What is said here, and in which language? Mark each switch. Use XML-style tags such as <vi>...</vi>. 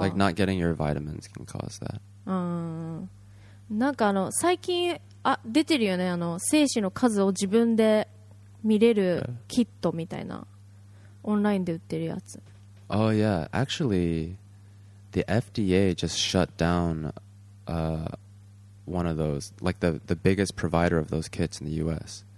<en>Like not getting your vitamins can cause that.</en> <ja>なんかあの最近あ出てるよね、あの精子の数を自分で見れるキットみたいな、オンラインで売ってるやつ。</ja> <en>Oh yeah, actually, the FDA just shut down one of those, like the biggest provider of those kits in the U.S.</en>